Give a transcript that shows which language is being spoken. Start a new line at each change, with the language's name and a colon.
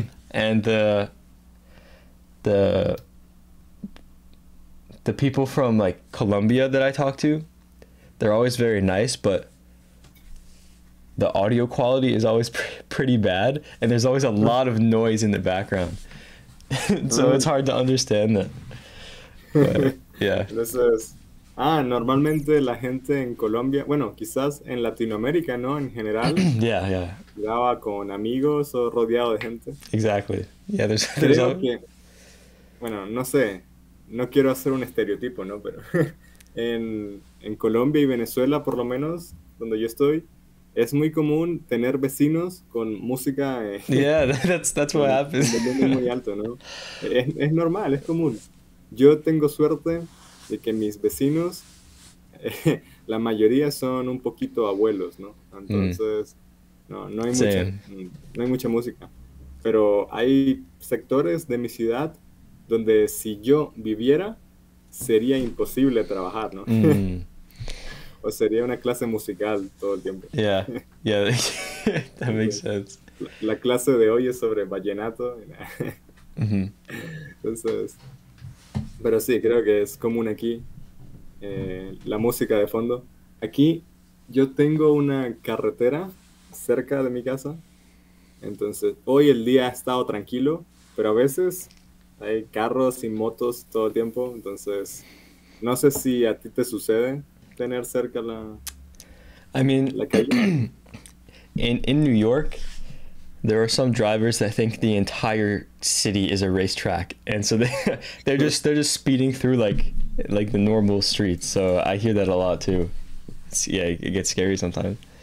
English: And the people from like Colombia that I talk to, they're always very nice, but the audio quality is always pretty bad, and there's always a lot of noise in the background. So it's hard to understand that. But, yeah.
Spanish: Entonces, normalmente la gente en Colombia, bueno, quizás en Latinoamérica, ¿no? En general.
English: Yeah, yeah.
Spanish: Llegaba con amigos o rodeado de gente.
English: Exactly. Yeah, there's...
Spanish: Creo que, bueno, no sé, no quiero hacer un estereotipo, ¿no? Pero en Colombia y Venezuela, por lo menos, donde yo estoy, es muy común tener vecinos con música.
English: Yeah, that's what happens.
Spanish: De volumen muy alto, ¿no? Es normal, es común. Yo tengo suerte de que mis vecinos, la mayoría son un poquito abuelos, ¿no? Entonces, no hay mucha música. Pero hay sectores de mi ciudad donde si yo viviera, sería imposible trabajar, ¿no? O sería una clase musical todo el tiempo.
English: Yeah, yeah, that makes sense.
Spanish: La clase de hoy es sobre vallenato. Entonces, pero sí, creo que es común aquí, la música de fondo. Aquí yo tengo una carretera cerca de mi casa, entonces hoy el día ha estado tranquilo, pero a veces hay carros y motos todo el tiempo, entonces no sé si a ti te sucede tener cerca la,
English: I mean,
Spanish: la calle.
English: In New York, there are some drivers that think the entire city is a racetrack, and so they're just speeding through like the normal streets. So I hear that a lot too. It's, yeah, it gets scary sometimes.